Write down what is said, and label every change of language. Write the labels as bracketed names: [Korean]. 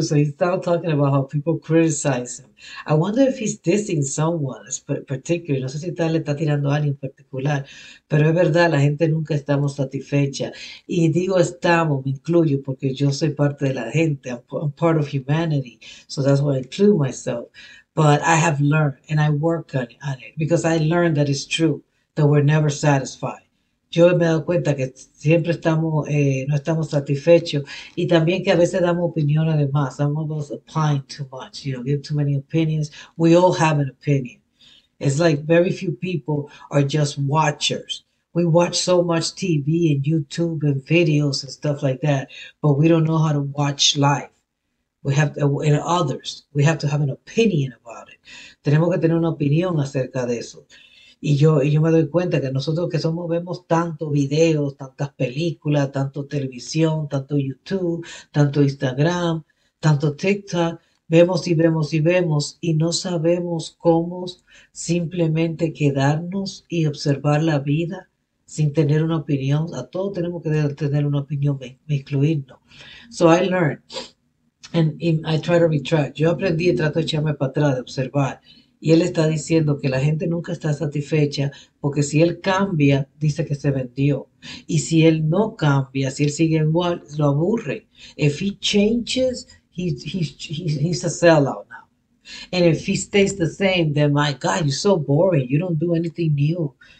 [English] So he's now talking about how people criticize him. I wonder if he's dissing someone particular. [Spanish] No sé si le está tirando a alguien particular. Pero es verdad, la gente nunca estamos satisfecha. Y digo estamos, me incluyo, porque yo soy parte de la gente. [English] I'm part of humanity. So that's why I include myself. But I have learned and I work on it. Because I learned that it's true. That we're never satisfied. [Spanish] Yo me he dado cuenta que siempre no estamos satisfechos y también que a veces damos opiniones de más. [English] I'm almost applying too much, you know, give too many opinions. We all have an opinion. It's like very few people are just watchers. We watch so much TV and YouTube and videos and stuff like that, but we don't know how to watch life. We have in others. We have to have an opinion about it. [Spanish] Tenemos que tener una opinión acerca de eso. Y yo me doy cuenta que nosotros que somos, vemos tantos videos, tantas películas, tanto televisión, tanto YouTube, tanto Instagram, tanto TikTok, vemos y no sabemos cómo simplemente quedarnos y observar la vida sin tener una opinión. A todos tenemos que tener una opinión, me incluirnos. [English] So I learned and I try to retract. [Spanish] Yo aprendí y trato de echarme para atrás, de observar. Y él está diciendo que la gente nunca está satisfecha porque si él cambia, dice que se vendió. Y si él no cambia, si él sigue igual, lo aburre. [English] If he changes, he's a sellout now. And if he stays the same, then my God, you're so boring. You don't do anything new.